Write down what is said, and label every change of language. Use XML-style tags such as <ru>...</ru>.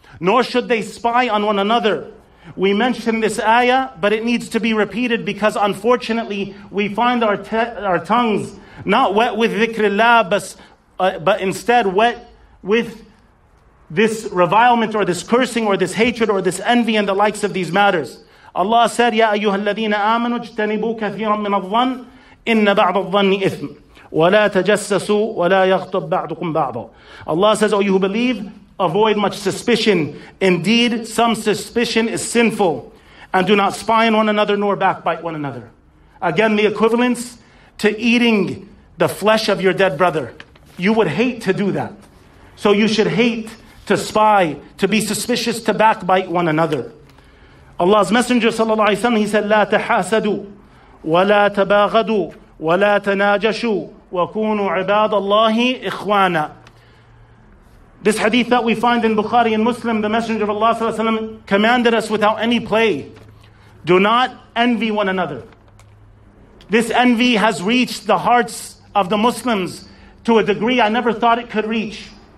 <en>Nor should they spy on one another. We mentioned this ayah, but it needs to be repeated because unfortunately, we find our tongues not wet with dhikrillah, but instead wet with this revilement or this cursing or this hatred or this envy and the likes of these matters. Allah said,</en> <ar>يَا أَيُّهَا الَّذِينَ آمَنُوا اجْتَنِبُوا كَثِيرًا مِّنَ الظَّنِّ إِنَّ بَعْضَ الظَّنِّ إِثْمٌ وَلَا تَجَسَّسُوا وَلَا يَغْتَبْ بَعْضُكُمْ بَعْضًا.</ar> <en>Allah says, O you who believe, avoid much suspicion. Indeed, some suspicion is sinful. And do not spy on one another nor backbite one another. Again, the equivalence to eating the flesh of your dead brother. You would hate to do that. So you should hate to spy, to be suspicious, to backbite one another. Allah's Messenger sallallahu alaihi wasallam, he said,</en> <ar>لَا تَحَاسَدُوا وَلَا تَبَاغَدُوا وَلَا تَنَاجَشُوا وَكُونُوا عِبَادَ اللَّهِ إِخْوَانًا.</ar> <en>This hadith that we find in Bukhari and Muslim, the Messenger of Allah sallallahu alaihi wasallam commanded us without any play, do not envy one another. This envy has reached the hearts of the Muslims to a degree I never thought it could reach.</en>